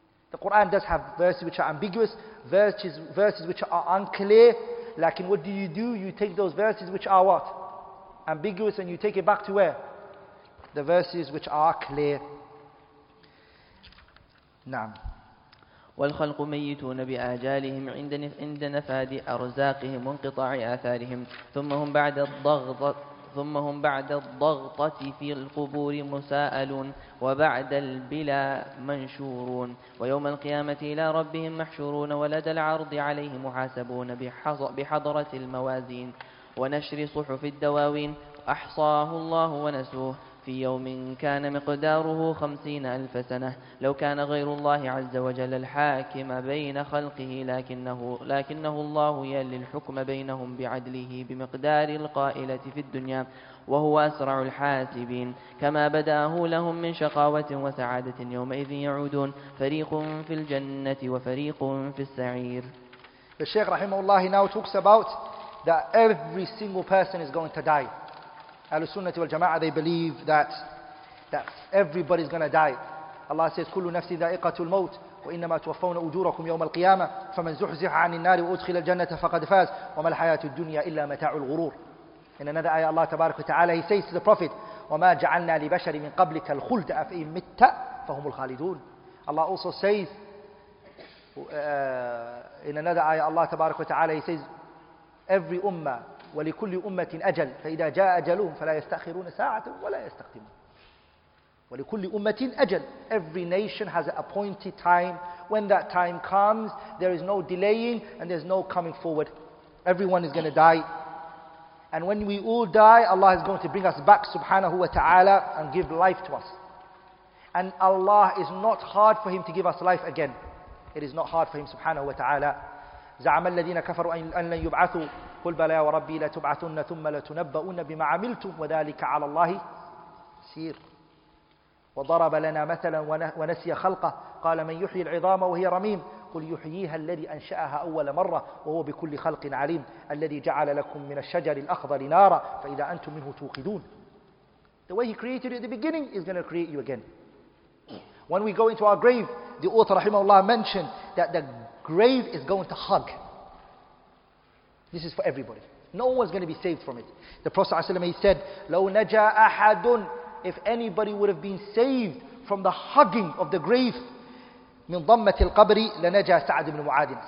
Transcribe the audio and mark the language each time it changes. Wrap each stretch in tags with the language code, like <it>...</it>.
<en>The Quran does have verses which are ambiguous, verses which are unclear, like, what do you do? You take those verses which are what? Ambiguous, and you take it back to where? The verses which are clear.</en> <ar>Naam. وَالْخَلْقُ مَيِّتُونَ بِآجَالِهِمْ عِنْدَ نَفَادِ أَرْزَاقِهِمْ وَانْقِطَاعِ آثَارِهِمْ ثُمَّ هُمْ بَعْدَ الضَّغْطَةِ فِي الْقُبُورِ مُسَاءَلُونَ وَبَعْدَ الْبِلَى مَنْشُورُونَ وَيَوْمَ الْقِيَامَةِ إِلَى رَبِّهِمْ مَحْشُورُونَ وَلَدَى الْعَرْضِ عَلَيْهِمْ مُحَاسَبُونَ بِحَضَرَةِ الْمَوَازِينِ وَنَشْرِ صُحُفِ الدَّوَاوِينِ أَحْصَاهُ اللَّهُ وَنَسُوهُ في يوم كان مقداره 50,000 سنة لو كان غير الله عز وجل الحاكم بين خلقه لكنه الله يلي الحكم بينهم بعدله بمقدار القائلة في الدنيا وهو أسرع الحاسبين كما بداه لهم من شقاوة وسعادة يومئذ يعودون فريق في الجنة وفريق في السعير. الشيخ رحمه الله</ar> <en>now talks about that every single person is going to die. Al-Sunnah wal-Jama'ah, they believe that everybody is going to die. Allah says,</en> <ar>كُلُّ نَفْسِ ذَائِقَةُ الْمَوْتِ وَإِنَّمَا تُوَفَّوْنَ أُجُورَكُمْ يَوْمَ الْقِيَامَةِ فَمَنْ زُحْزِحَ عَنِ النَّارِ وَأُدْخِلَ الْجَنَّةَ فَقَدْ فَازَ وَمَا الْحَيَاةُ الدُّنْيَا إِلَّا مَتَاعُ الْغُرُورِ.</ar> <en>In another ayah, Allah tabarak wa ta'ala, he says to the Prophet,</en> <ar>وَمَا جَعَلْنَا لِبَشَرٍ مِنْ قَبْلِكَ الْخُلْدَ أَفَإِن مِتَّ فَهُمُ الْخَالِدُونَ.</ar> <en>Allah also says, in another ayah, Allah tabarak wa ta'ala, he says, every ummah,</en> <ar>ولكل أمة أجل فإذا جاء أجلهم فلا يستأخرون ساعة ولا يستقدمون. ولكل أمة أجل.</ar> <en>Every nation has an appointed time. When that time comes, there is no delaying and there's no coming forward. Everyone is going to die. And when we all die, Allah is going to bring us back, subhanahu wa ta'ala, and give life to us. And Allah is not hard for Him to give us life again. It is not hard for Him, subhanahu wa ta'ala.</en> <ar>زعم الذين كفروا أن لن يبعثوا قل بلى وربي لتبعثن ثم لتنبؤن بما عملتم وذلك على الله سير. وضرب لنا مثلا ونسي خلقه قال من يحيي العظام وهي رميم قل يحييها الذي أنشأها أول مرة وهو بكل خلق عليم الذي جعل لكم من الشجر الأخضر نارا فإذا أنتم منه توقدون.</ar> <en>The way he created you at the beginning is going to create you again. When we go into our grave, the author</en> <ar>رحمه الله</ar> <en>mentioned that the grave is going to hug. This is for everybody. No one's going to be saved from it. The Prophet ﷺ, he said,</en> <ar>لَوْ نَجَى أَحَدٌ,</ar> <en>if anybody would have been saved from the hugging of the grave,</en> <ar>مِنْ ضَمَّةِ الْقَبْرِ لَنَجَى سَعَدْ بْنُ مُعَادٍ.</ar>